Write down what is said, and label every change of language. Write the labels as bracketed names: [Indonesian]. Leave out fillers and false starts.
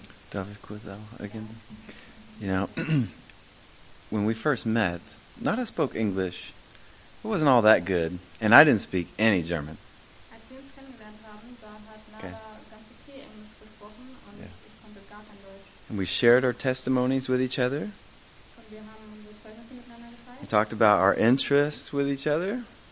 [German] Darf ich kurz auch ergänzen? [English] You know, when we first met, Nada spoke English. It wasn't all that good, and I didn't speak any German. [German] Als wir uns kennengelernt haben, da hat Nada ganz okay Englisch gesprochen und yeah, ich konnte gar kein Deutsch. [English] And we shared our testimonies with each other. [German] Und wir haben unsere Zeugnisse miteinander geteilt. [English] We talked about our interests with each other.